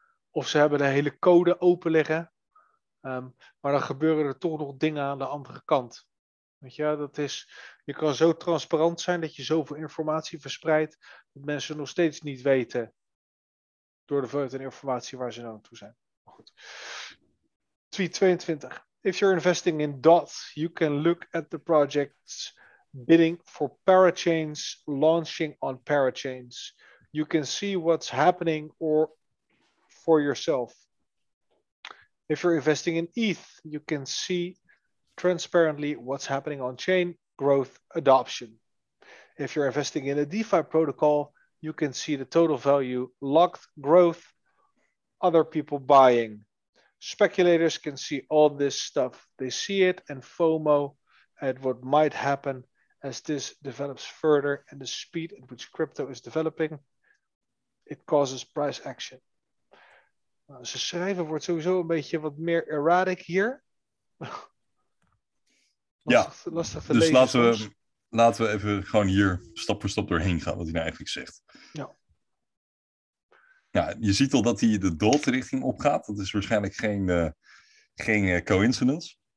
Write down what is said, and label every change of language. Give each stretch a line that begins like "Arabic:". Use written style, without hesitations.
Dutch: Of ze hebben de hele code open liggen. Maar dan gebeuren er toch nog dingen aan de andere kant. Weet je, dat is, je kan zo transparant zijn dat je zoveel informatie verspreidt dat mensen nog steeds niet weten door de verdere informatie waar ze aan toe zijn. Maar goed. Tweet 22.
English: If you're investing in DOT, you can look at the projects bidding for parachains launching on parachains. You can see what's happening or for yourself. If you're investing in ETH, you can see transparently what's happening on chain growth adoption. If you're investing in a DeFi protocol, you can see the total value locked growth, other people buying. Speculators can see all this stuff. They see it and FOMO at what might happen as this develops further and the speed at which crypto is developing, it causes price action.
Dutch: Ze schrijven wordt sowieso een beetje wat meer erratic hier. Lastig te dus lezen. Dus laten we even gewoon hier stap voor stap doorheen gaan wat hij nou eigenlijk zegt. Ja. Ja, je ziet al dat hij de DOT richting opgaat. Dat is waarschijnlijk geen coincidence.